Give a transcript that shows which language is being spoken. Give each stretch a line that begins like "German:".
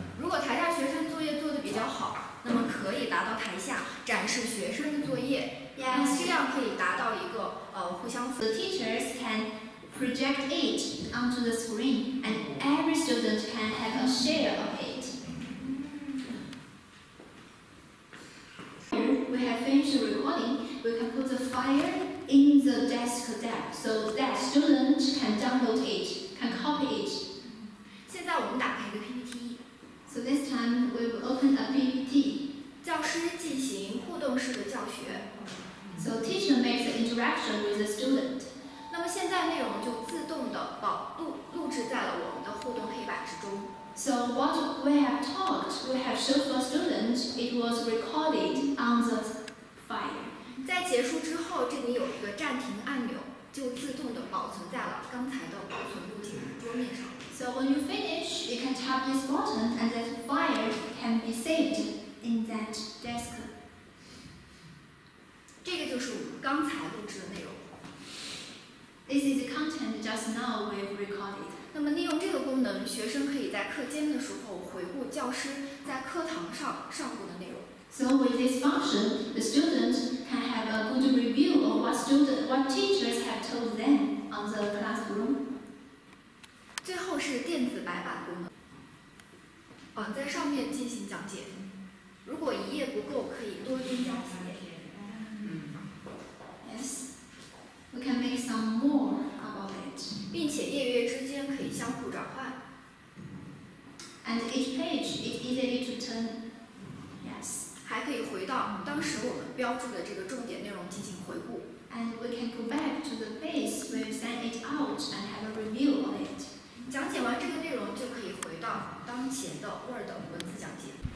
Chinese: 如果台下学生作业做得比较好，那么可可以达到台下展示学生的作业。
English: Yes,
Chinese: 这样可以达到一个互相。
English: The teachers can project it onto the screen, and every student can have a share of it. We have finished recording. We can put the file in the desk there, so that student can download it, can copy it.
Chinese: 现在我们打开一个 PPT.
English: So this time we will open a PPT.
Chinese: 教师进行互动式的教学。
English: So teacher makes an interaction with the student.
Chinese: 那么现在内容就自动的保录制在了我们的互动黑板之中。
English: So what we have talked, we have showed for students, it was recorded on the file.
Chinese: 在结束之后，这里有一个暂停按钮，就自动的保存在了刚才的保存录屏桌面上。
English: So when you finish, you can tap this button, and that file can be saved in that desk.
Chinese: 这个就是我们刚才录制的内容。
English: This is the content just now we've recorded.
Chinese: 那么利用这个功能，学生可以在课间的时候回顾教师在课堂上上过的内容。
English: So with this function, the student can have a good review of what teachers have told them on the classroom.
Chinese: 最后是电子白板功能。在上面进行讲解。如果一页不够，可以多增加几页。
English: We can make some more about it.
Chinese: 并且页页之间可以相互转换。
English: And each page is easy to turn. Yes.
Chinese: 还可以回到当时我们标注的这个重点内容进行回顾。
English: And we can go back to the place we sent it out and have a review of it.
Chinese: 讲解完这个内容就可以回到当前的 Word 文字讲解。